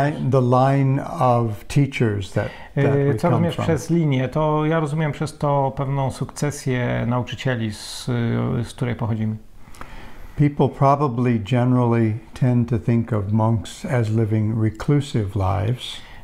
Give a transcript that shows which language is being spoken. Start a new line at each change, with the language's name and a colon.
English: The line of teachers that
Polish: co rozumiesz przez linię? To ja rozumiem przez to pewną sukcesję nauczycieli, z której pochodzimy.
English: People probably generally tend to think of monks as living reclusive lives.